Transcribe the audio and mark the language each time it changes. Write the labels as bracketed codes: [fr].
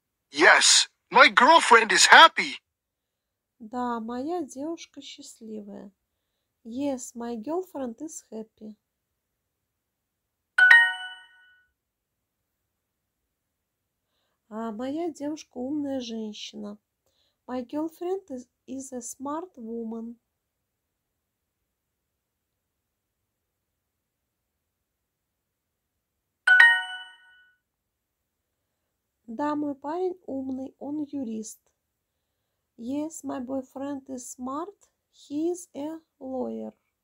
[en] Yes, my girlfriend is happy. [ru] Да, моя девушка счастливая. [en] Yes, my girlfriend is happy. [ru] А моя девушка умная женщина. [en] My girlfriend is a smart woman. [ru] Да, мой парень умный, он юрист. [en] Yes, my boyfriend is smart, he is a lawyer.